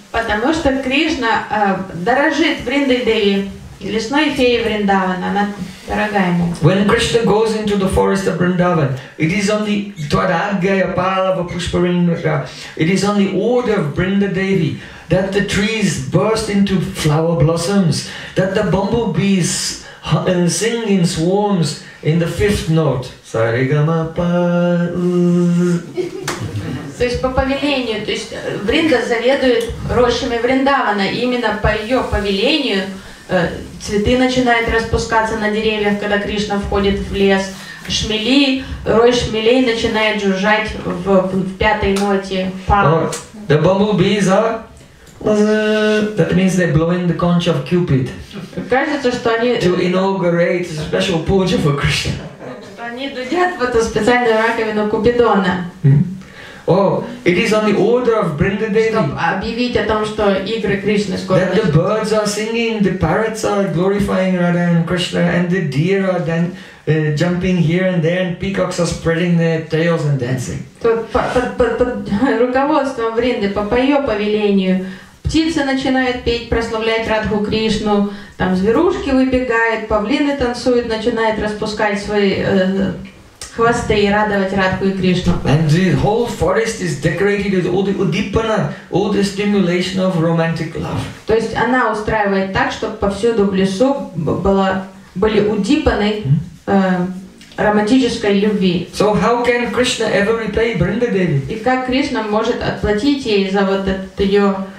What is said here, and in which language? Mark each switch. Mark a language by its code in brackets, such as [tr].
[ru] Потому что Кришна дорожит Бриндой Деви, лесной феей Вриндавана, она дорога ему. [en] When Krishna goes into the forest of Vrindavan, it is on the Twadagaya Palava Pushparinda, it is on the order of Brinda Devi that the trees burst into flower blossoms, that the bumblebees sing in swarms in the fifth note. [ru] То есть по повелению, то есть Бринда заведует рощами Вриндавана, и именно по ее повелению цветы начинают распускаться на деревьях, когда Кришна входит в лес, шмели, рой шмелей начинает жужжать в пятой ноте. [en] The bumblebees are, that means they're blowing the conch of Cupid. [ru] Кажется, что они [en] to inaugurate a special puja for Krishna. [ru] Они дудят в эту специальную раковину Купидона. [en] Oh, it is on the order of Brinda Devi. [ru] Чтобы объявить о том, что игры Кришны скоро. [en] That the birds are singing, the parrots are glorifying Radha and Krishna, and the deer are then jumping here and there, and peacocks are spreading their tails and dancing. [ru] Под руководством Бринды, по ее повелению, птицы начинают петь, прославлять Радху Кришну. Там зверушки выбегают, павлины танцуют, начинают распускать свои хвосты и радовать Радху и Кришну. [en] And the whole forest is decorated with all the udipana, all the stimulation of romantic love. [ru] То есть она устраивает так, чтобы повсюду в лесу были удипаны романтической любви. [en] So how can Krishna ever repay Brinda Devi? [ru] И как Кришна может отплатить ей за вот этот ее